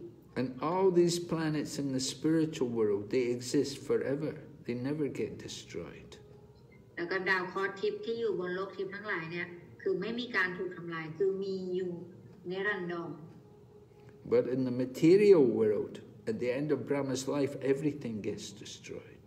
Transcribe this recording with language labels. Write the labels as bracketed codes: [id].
[en] And all these planets in the spiritual world they exist forever they never get destroyed [th] แล้วก็ดาวเคราะห์ทิพย์ที่อยู่บนโลกทิพย์ทั้งหลายเนี่ยคือไม่มีการถูกทำลายคือมีอยู่ [en] They don't know. But in the material world, at the end of Brahma's life, everything gets destroyed.